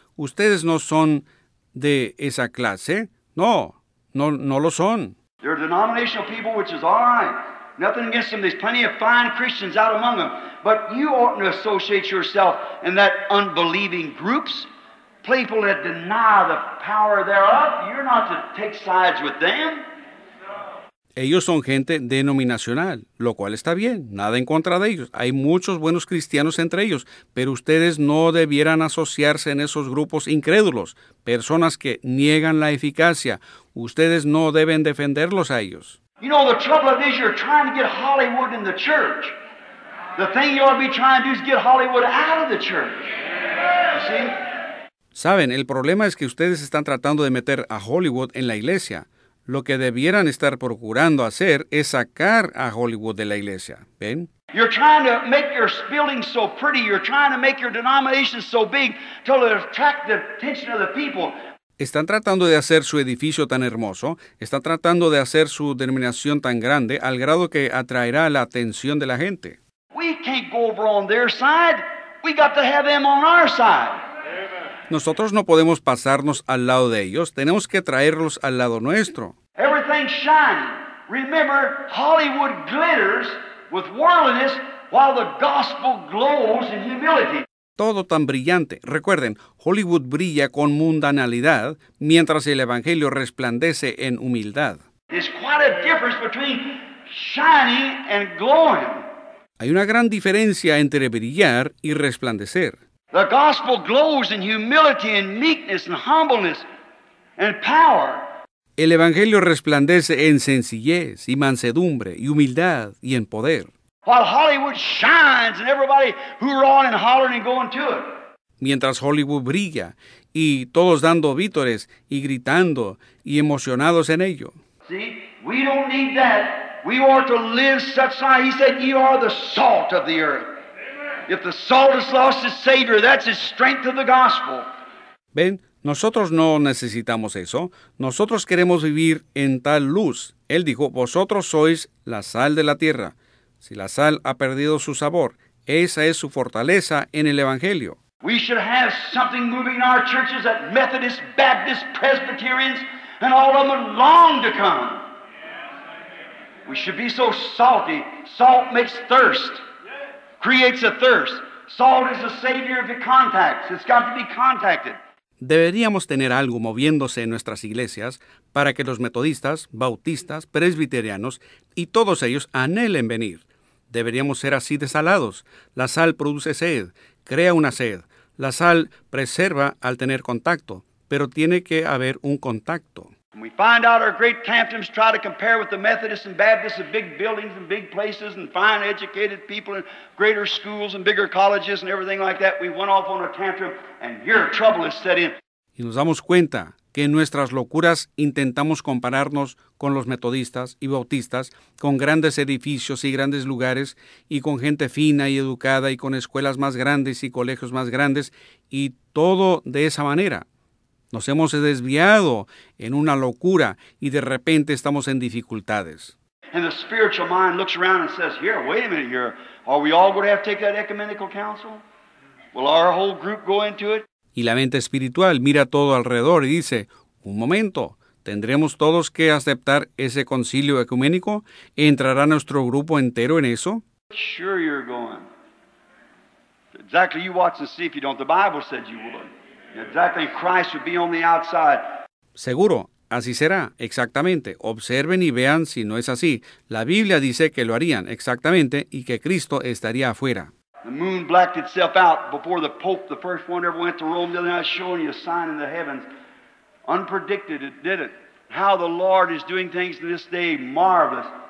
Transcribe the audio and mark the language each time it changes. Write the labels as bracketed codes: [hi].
[es] Ustedes no son de esa clase. No, no, no lo son. [en] They're a denominational people, which is all right. Nothing against them. There's plenty of fine Christians out among them. But you oughtn't to associate yourself in that unbelieving groups. People that deny the power thereof, you're not to take sides with them. [es] Ellos son gente denominacional, lo cual está bien. Nada en contra de ellos. Hay muchos buenos cristianos entre ellos. Pero ustedes no debieran asociarse en esos grupos incrédulos, personas que niegan la eficacia. Ustedes no deben defenderlos a ellos. [en] You know, the trouble is you're trying to get Hollywood in the church. The thing you ought to be trying to do is get Hollywood out of the church. You see? [es] Saben, el problema es que ustedes están tratando de meter a Hollywood en la iglesia. Lo que debieran estar procurando hacer es sacar a Hollywood de la iglesia. ¿Ven? [en] You're trying to make your building so pretty. You're trying to make your denomination so big to attract the attention of the people. [es] Están tratando de hacer su edificio tan hermoso, están tratando de hacer su denominación tan grande al grado que atraerá la atención de la gente. [en] We can't go over on their side. We got to have them on our side. [es] Nosotros no podemos pasarnos al lado de ellos, tenemos que traerlos al lado nuestro. [en] Everything's shining. Remember, Hollywood glitters with worldliness while the gospel glows in humility. [es] Todo tan brillante. Recuerden, Hollywood brilla con mundanalidad mientras el Evangelio resplandece en humildad. [en] There's quite a difference between shining and glowing. [es] Hay una gran diferencia entre brillar y resplandecer. [en] The gospel glows in humility and meekness and humbleness and power. [es] El Evangelio resplandece en sencillez y mansedumbre y humildad y en poder. [en] While Hollywood shines and everybody hoorahing and hollering and going to it. [es] Mientras Hollywood brilla y todos dando vítores y gritando y emocionados en ello. [en] See, we don't need that. We ought to live such life. He said, "You are the salt of the earth." If the salt has lost its savor, that's its strength of the gospel. [es] Ven, nosotros no necesitamos eso. Nosotros queremos vivir en tal luz. Él dijo, "Vosotros sois la sal de la tierra." Si la sal ha perdido su sabor, esa es su fortaleza en el Evangelio. [en] We should have something moving in our churches that Methodists, Baptists, Presbyterians, and all of them long to come. We should be so salty. Salt makes thirst, creates a thirst. Salt is the savior of the contacts. It's got to be contacted. [es] Deberíamos tener algo moviéndose en nuestras iglesias para que los metodistas, bautistas, presbiterianos y todos ellos anhelen venir. Deberíamos ser así de salados. La sal produce sed, crea una sed. La sal preserva al tener contacto, pero tiene que haber un contacto. [en] We find out our great tantrums try to compare with the Methodists and Baptists of big buildings and big places and fine educated people and greater schools and bigger colleges and everything like that. We went off on a tantrum and your trouble is set in. [es] Y nos damos cuenta que en nuestras locuras intentamos compararnos con los metodistas y bautistas, con grandes edificios y grandes lugares, y con gente fina y educada, y con escuelas más grandes y colegios más grandes, y todo de esa manera. Nos hemos desviado en una locura, y de repente estamos en dificultades. [en] And the spiritual mind looks around and says, here, wait a minute here, are we all going to have to take that ecumenical council? Will our whole group go into it? [es] Y la mente espiritual mira todo alrededor y dice, un momento, ¿tendremos todos que aceptar ese concilio ecuménico? ¿Entrará nuestro grupo entero en eso? [en] Sure you're going. Exactly, you watch and see if you don't. The Bible said you would. Exactly, Christ would be on the outside. [es] Seguro, así será, exactamente. Observen y vean si no es así. La Biblia dice que lo harían, exactamente, y que Cristo estaría afuera. [en] The moon blacked itself out before the Pope, the first one ever went to Rome, the other night showing you a sign in the heavens. Unpredicted, it did it. How the Lord is doing things in this day, marvelous.